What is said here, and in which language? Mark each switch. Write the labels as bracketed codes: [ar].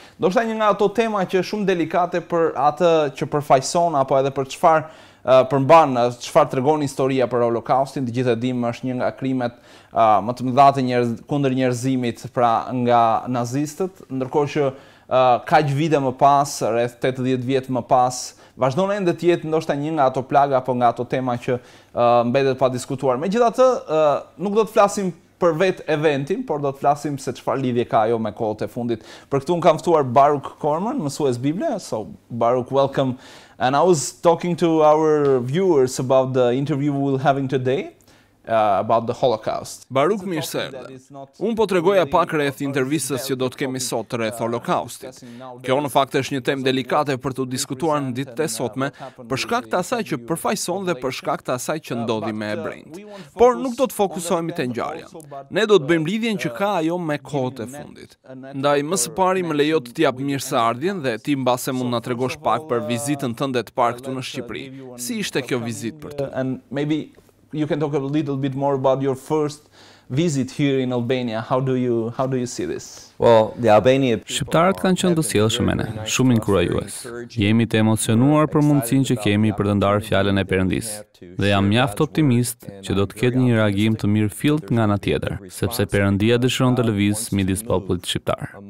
[sq] Do shta një nga ato tema që është shumë delikate për atë që përfaqëson apo edhe për çfarë përmban, çfarë tregon historia për Holokaustin. Të gjithë e dimë, është një nga krimet më të mëdha kundër njerëzimit, pra nga nazistët, ndërkohë që kaq vite më pas, rreth 80 vjet më pas, vazhdon ende të jetë ndoshta një nga ato plaga apo nga ato tema që mbetet pa diskutuar. Megjithatë, nuk do të flasim për vetë eventin, por do të flasim se çfarë lidhje ka ajo me kohët e fundit. Për këtu unë kam ftuar Baruch Korman, mësues Bible. [en] So, Baruch, welcome. And I was talking to our viewers about the interview we'll having today. About the Holocaust. [sq] Baruch, mirëserdhe. Unë po tregoja pak rreth intervistës që do të kemi sot rreth Holokaustit. Kjo në fakt është një temë delikate për të diskutuar në ditët e sotme, për shkak të asaj që përfaqëson dhe për shkak të asaj që ndodhi me hebrejt. Por nuk do të fokusohemi te ngjarja. Ne do të bëjmë lidhjen që ka ajo me kohët e fundit. Ndaj më së pari më lejo të jap mirëseardhjen dhe ti mbase mund na tregosh pak për vizitën tënde të parë këtu në Shqipëri. Si ishte kjo vizitë për ty? [en] You can talk a little bit more about your first visit here in Albania. How do you see this? Well, the Albanian [sq] shqiptarët kanë qenë të sjellshëm me ne, shumë inkurajues. Jemi të emocionuar për mundësinë që kemi për të ndarë fjalën e Perëndis. Dhe jam mjaft optimist që do të ketë një reagim të mirë fillt nga ana tjetër, sepse Perëndia dëshiron të lëvizë midis popullit shqiptar.